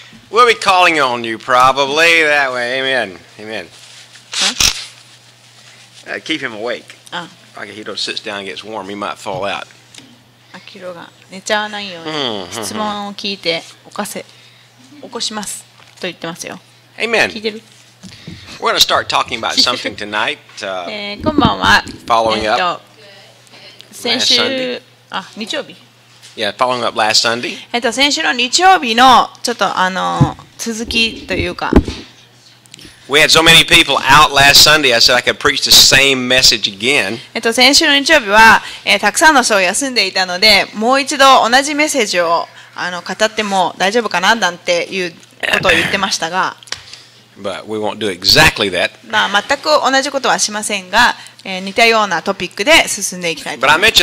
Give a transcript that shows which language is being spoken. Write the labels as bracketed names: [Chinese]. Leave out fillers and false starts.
[English] We'll be calling on you probably that way. Amen. Amen. Huh? Keep him awake. Ah. Akihiro sits down and gets warm. He might fall out. [Japanese] Akihiro が寝ちゃわないように質問を聞いて起こしますと言ってますよ。 [English] Amen. [Japanese] 聞いてる？ [English] We're going to start talking about something tonight. [Japanese] こんばんは。 [English] Following up. [Japanese] 先週、あ、日曜日。 [English] Yeah, following up last Sunday. [Japanese] 先週の日曜日のちょっとあの続きというか。 [English] We had so many people out last Sunday, I said I could preach the same message again. [Japanese] 先週の日曜日は、たくさんの人が休んでいたので、もう一度同じメッセージをあの語っても大丈夫かななんていうことを言ってましたが。 [English] But we won't do exactly that. [Japanese] まあ全く同じことはしませんが、似たようなトピックで進んでいきたいと思います。